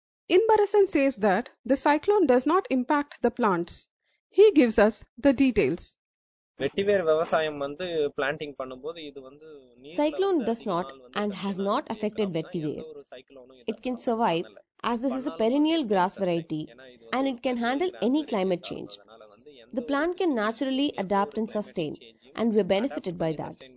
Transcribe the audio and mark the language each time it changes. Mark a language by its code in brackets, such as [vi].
[en] Inbarasan says that the cyclone does not impact the plants. He gives us the details. [ta] வெட்டிவேர் விவசாயம் வந்து planting பண்ணும்போது இது வந்து [en] Cyclone does not and has not affected vetiver it can survive as this is a perennial grass variety and it can handle any climate change the plant can naturally adapt and sustain, and we are benefited by that.